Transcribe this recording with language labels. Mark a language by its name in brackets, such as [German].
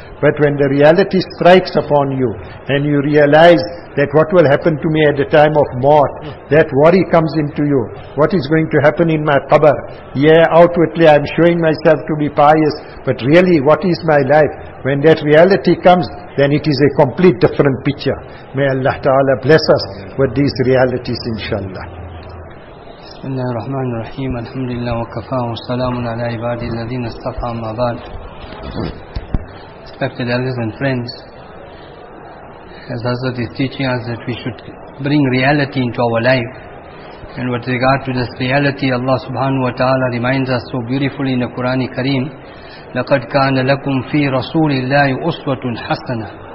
[English] But when the reality strikes upon you and you realize that what will happen to me at the time of mort, that worry comes into you. What is going to happen in my qabr? Yeah, outwardly I am showing myself to be pious, but really what is my life? When that reality comes, then it is a complete different picture. May Allah Ta'ala bless us with these realities, inshallah. [Arabic] بسم الله الرحمن الرحيم الحمد لله وكفى والسلام على عباد الذين اصطفى أما بعد. [English] Respected elders and friends, as Hazrat is teaching us that we should bring reality into our life, and with regard to this reality, Allah subhanahu wa ta'ala reminds us so beautifully in the Quran Kareem, [Arabic] لَقَدْ كَانَ لَكُمْ فِي رَسُولِ اللَّهِ أُسْوَةٌ حَسَنَةٌ.